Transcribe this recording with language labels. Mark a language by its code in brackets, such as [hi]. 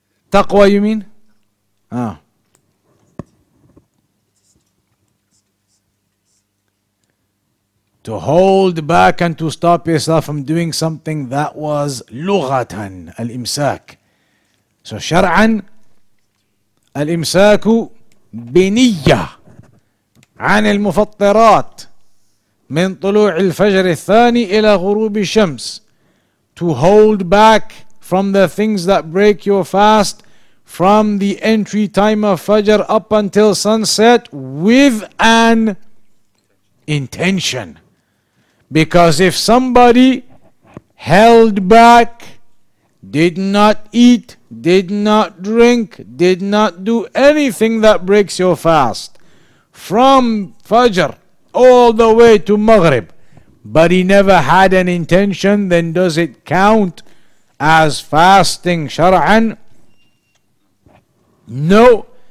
[en] Taqwa you mean? To hold back and to stop yourself from doing something, that was lughatan, al-imsak. [ar] So shar'an, al-imsaku biniyya an al-mufattirat من طلوع الفجر الثاني إلى غروب الشمس. [en] To hold back from the things that break your fast from the entry time of Fajr up until sunset with an intention. Because if somebody held back, did not eat, did not drink, did not do anything that breaks your fast from Fajr all the way to Maghrib, but he never had an intention, then does it count as fasting shara'an? No.